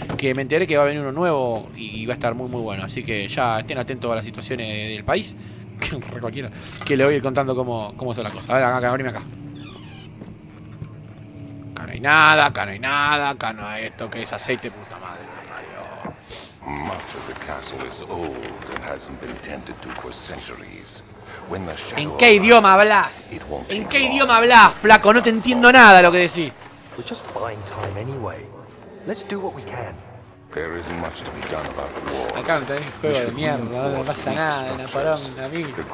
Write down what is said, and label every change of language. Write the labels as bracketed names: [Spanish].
[Spanish] Que me enteré que va a venir uno nuevo y va a estar muy muy bueno. Así que ya estén atentos a las situaciones del país. Cualquiera. Que le voy a ir contando cómo son las cosas. A ver, acá, abrime acá. Acá no hay nada, acá no hay nada, acá no hay esto que es aceite, puta madre. [English] Much of the castle is old and hasn't been tended to for centuries. [Spanish] ¿En qué idioma hablas? ¿En qué idioma hablas, flaco? No te entiendo nada lo que decís. [English] We're just buying time anyway. Let's do what we can. There isn't much to be done about the wars. [Spanish] Acá está el juego de mierda, no pasa nada, Napoleón, a mí.